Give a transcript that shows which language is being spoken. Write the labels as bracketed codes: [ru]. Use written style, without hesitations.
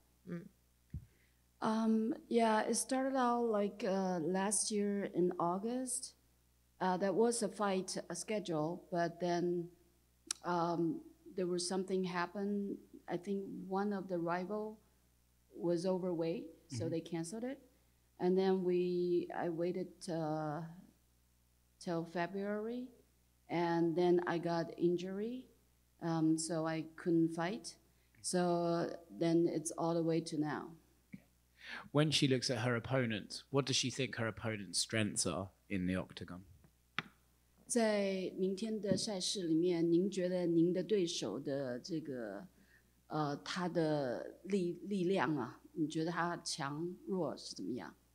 [zh] 没有办法打这个比赛，取消了。然后二月份我又接到比赛，然后我受伤了，所以一直到现在，所以中间大概有一年多的时间没有比赛。嗯，Yeah, [en] it started out like last year in August. That was a fight schedule, but then there was something happened. I think one of the rival was overweight, so they canceled it. And then I waited till February, and then I got injury, so I couldn't fight. So then it's all the way to now. When she looks at her opponent, what does she think her opponent's strengths are in the octagon? [zh] 在明天的赛事里面，您觉得您的对手的这个他的力量啊，你觉得他强弱是怎么样？